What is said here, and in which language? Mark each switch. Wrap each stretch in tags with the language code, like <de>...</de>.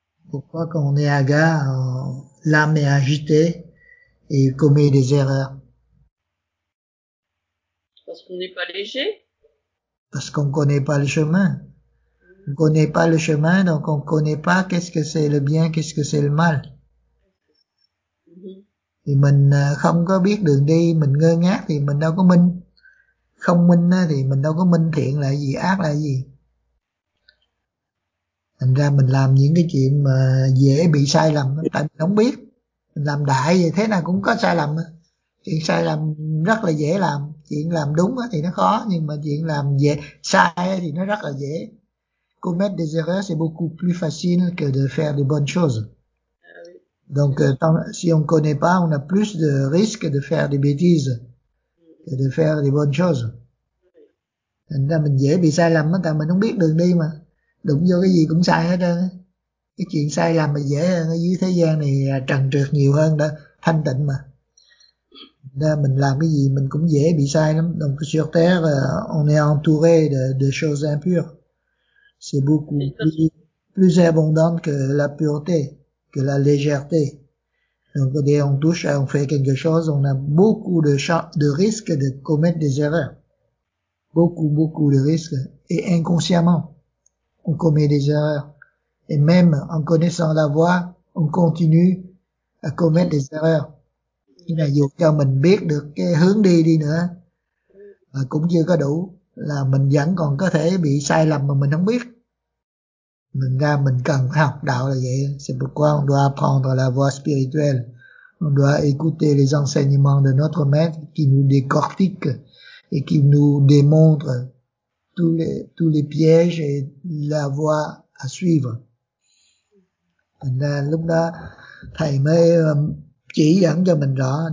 <fr>Pourquoi quand on est aga, l'âme est agitée et commet des erreurs? Parce qu'on n'est pas léger? Parce qu'on connaît pas le chemin. On connaît pas le chemin, donc on connaît pas qu'est-ce que c'est le bien, qu'est-ce que c'est le mal.</fr> <vi>Thì mình không có biết đường đi, mình ngơ ngác thì mình đâu có minh. Không minh thì mình đâu có minh thiện là gì, ác là gì. Thành ra mình làm những cái chuyện mà dễ bị sai lầm, tại mình không biết. Mình làm đại vậy thế nào cũng có sai lầm. Chuyện sai lầm rất là dễ làm, chuyện làm đúng thì nó khó, nhưng mà chuyện làm dễ sai thì nó rất là dễ.</vi> <fr>Commettre des erreurs c'est beaucoup plus facile que de faire de bonnes choses. Donc, si on ne connaît pas, on a plus de risques de faire des bêtises que de faire des bonnes choses.</fr> <vi>Thành ra mình dễ bị sai lầm, tại mình không biết đường đi mà. Đụng vô cái gì cũng sai hết trơn. Cái chuyện sai lầm mà dễ hơn ở dưới thế gian này trần trượt nhiều hơn, đã thanh tịnh mà. Thành ra mình làm cái gì mình cũng dễ bị sai lắm.</vi> <fr>Donc, sur terre, on est entouré de choses impures. C'est beaucoup plus abondant que la pureté. Que la légèreté. Donc, dès qu'on touche, on fait quelque chose, on a beaucoup de risques de commettre des erreurs. Beaucoup, beaucoup de risques. Et inconsciemment, on commet des erreurs. Et même en connaissant la voie, on continue à commettre des erreurs. Il y a</fr> <vi>cho mình biết được cái hướng đi đi nữa. Mà cũng chưa có đủ. Là mình vẫn còn có thể bị sai lầm mà mình không biết. Mình ra mình cần học đạo là vậy.</vi> <fr>C'est pourquoi on doit apprendre la voie spirituelle. On doit écouter les enseignements de notre maître qui nous décortique et qui nous démontre tous les pièges et la voie à suivre.</fr> <vi>Là, lúc đó, thầy mới chỉ dẫn cho mình rõ.</vi>